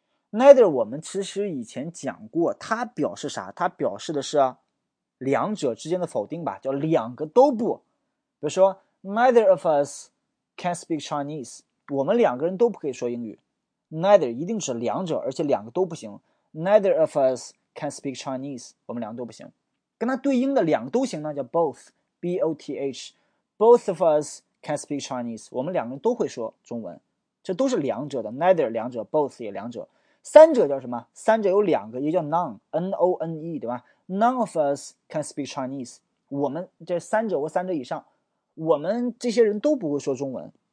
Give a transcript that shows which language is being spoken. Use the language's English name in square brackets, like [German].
[Chinese] neither 我们其实以前讲过，它表示啥？它表示的是两者之间的否定吧，叫两个都不。比如说 [English] neither of us can speak Chinese， [Chinese] 我们两个人都不可以说英语。 neither 一定指两者，而且两个都不行。 [English] neither of us can speak Chinese， [Chinese] 我们两个都不行。跟它对应的两个都行呢，叫 both，B-O-T-H， [English] both of us can speak Chinese， [Chinese] 我们两个人都会说中文，这都是两者的 neither 两者， both 也两者。三者叫什么？三者有两个，也叫 none， N-O-N-E， 对吧？ [English] None of us can speak Chinese， [Chinese] 我们这三者或三者以上，我们这些人都不会说中文。